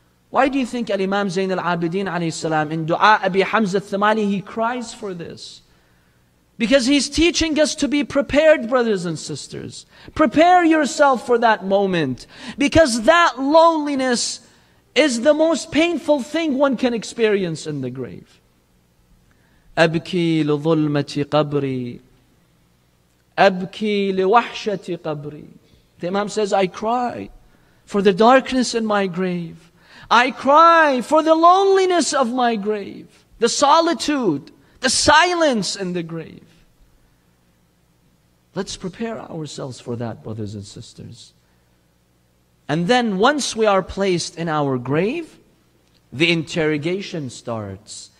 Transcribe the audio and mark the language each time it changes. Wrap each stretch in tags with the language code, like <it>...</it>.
<en>Why do you think Al-Imam Zain al-Abidin alayhi salam in Dua Abi Hamza al-Thamani, he cries for this? Because he's teaching us to be prepared, brothers and sisters. Prepare yourself for that moment. Because that loneliness is the most painful thing one can experience in the grave.</en> <ar>أبكي لظلمة قبري أبكي لوحشة قبري</ar> <en>The Imam says, I cry for the darkness in my grave. I cry for the loneliness of my grave. The solitude, the silence in the grave. Let's prepare ourselves for that, brothers and sisters. And then once we are placed in our grave, the interrogation starts.</en>